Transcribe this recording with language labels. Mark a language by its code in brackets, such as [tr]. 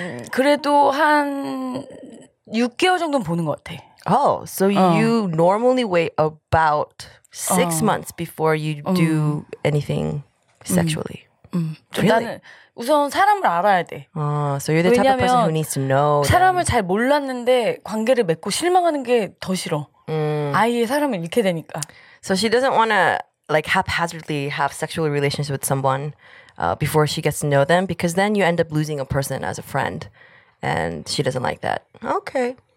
[ko] 그래도 한 6개월 정도는 보는 것 같아. [en] Oh, so you normally wait about 6 months before you do anything sexually. Really? [ko] 나는 우선 사람을 알아야 돼. [en] So you're the type of person who needs to know. [ko] 사람을 잘 몰랐는데 관계를 맺고 실망하는 게 더 싫어. 아예 사람을 잃게 되니까. [en] So she doesn't want to like haphazardly have sexual relations with someone before she gets to know them because then you end up losing a person as a friend and she doesn't like that. Okay.